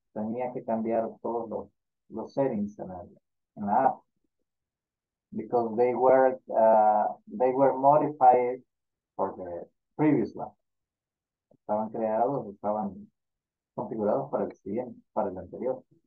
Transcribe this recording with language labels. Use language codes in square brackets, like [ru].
[es] Tenía que cambiar todos los settings en la app. [en] Because they were modified for the previous one. [es] Estaban creados, estaban configurados para el siguiente, para el anterior.